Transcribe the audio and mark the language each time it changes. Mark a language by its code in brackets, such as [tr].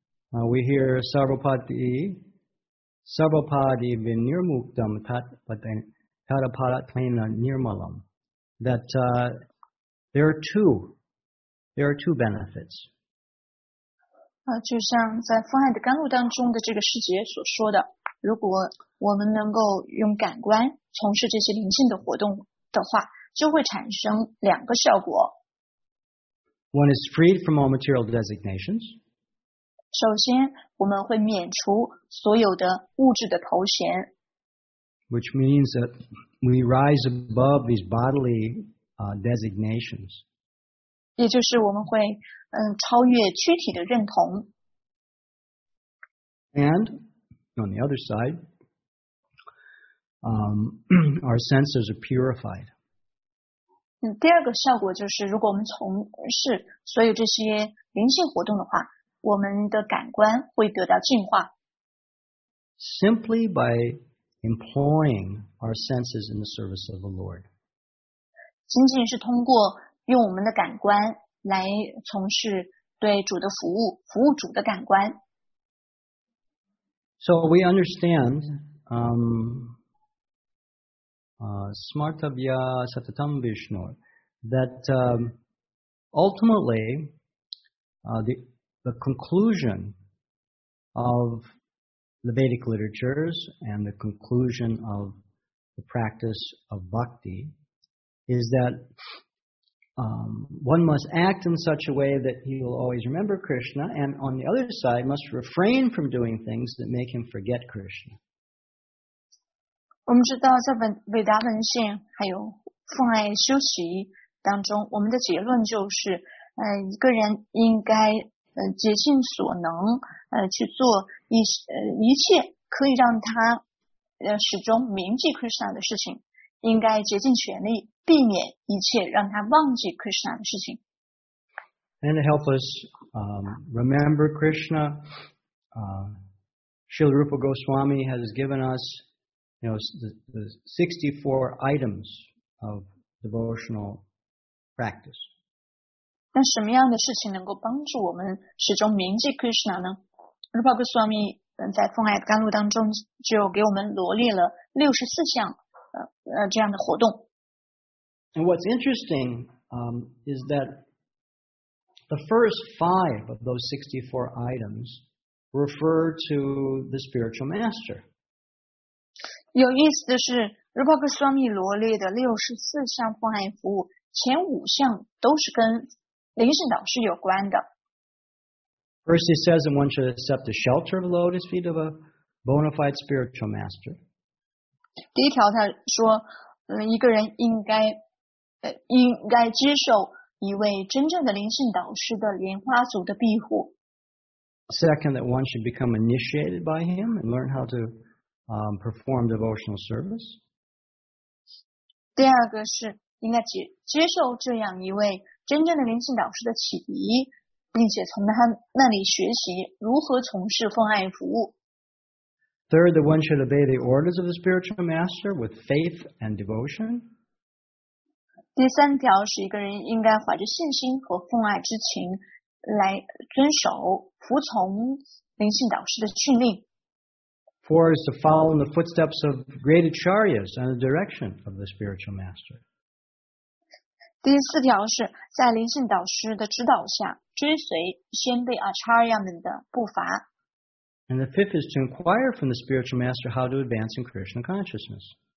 [en] We hear [sa] Sarvapadi Vinirmuktam Tadapadatvena Nirmalam [en] that there are two benefits. [zh] 就像在风爱的甘露当中的这个师姐所说的，如果我们能够用感官从事这些灵性的活动的话，就会产生两个效果。 [en] One is freed from all material designations. [zh] 首先，我们会免除所有的物质的头衔。 [en] Which means that we rise above these bodily designations. [zh] 也就是我们会超越躯体的认同。 [en] And on the other side, our senses are purified. [zh] 第二个效果就是如果我们从事所有这些灵性活动的话，我们的感官会得到净化。 [en] Simply by employing our senses in the service of the Lord. [zh] 仅仅是通过用我们的感官来从事对主的服务，服务主的感官。 [en] So we understand, [sa] Smartavya Satatam Vishnu, [en] that ultimately the conclusion of the Vedic literatures and the conclusion of the practice of bhakti is that. One must act in such a way that he will always remember Krishna, and on the other side, must refrain from doing things that make him forget Krishna. [zh] 我们知道在伟达文献还有奉爱修习当中，我们的结论就是，一个人应该竭尽所能，去做一切可以让他始终铭记 Krishna 的事情，应该竭尽全力。避免一切让他忘记 Krishna 的事情。 [en] And to help us remember Krishna, Srila Rupa Goswami has given us, you know, the 64 items of devotional practice. [zh] 那什么样的事情能够帮助我们始终铭记 Krishna 呢？ Rupa Goswami 在《风爱的甘露》当中就给我们罗列了64项这样的活动。 [en] And what's interesting, is that the first five of those 64 items refer to the spiritual master. [zh] 有意思的是 ,Rupa Goswami 罗列的64项奉爱服务前五项都是跟灵性导师有关的。 [en] First he says that one should accept the shelter of the lotus feet of a bona fide spiritual master. [zh] 第一条他说一个人应该接受一位真正的灵性导师的莲花足的庇护。 [en] Second, that one should become initiated by him and learn how to perform devotional service. [zh] 第二个是应该接受这样一位真正的灵性导师的启迪，并且从他那里学习如何从事奉爱服务。 [en] Third, that one should obey the orders of the spiritual master with faith and devotion. [zh] 第三条是一个人应该怀着信心和奉爱之情来遵守服从灵性导师的训令。 [en] Four is to follow in the footsteps of great acharyas and the direction of the spiritual master. [zh] 第四条是在灵性导师的指导下追随先辈 acharya 们的步伐。 [en] And the fifth is to inquire from the spiritual master how to advance in Krishna consciousness.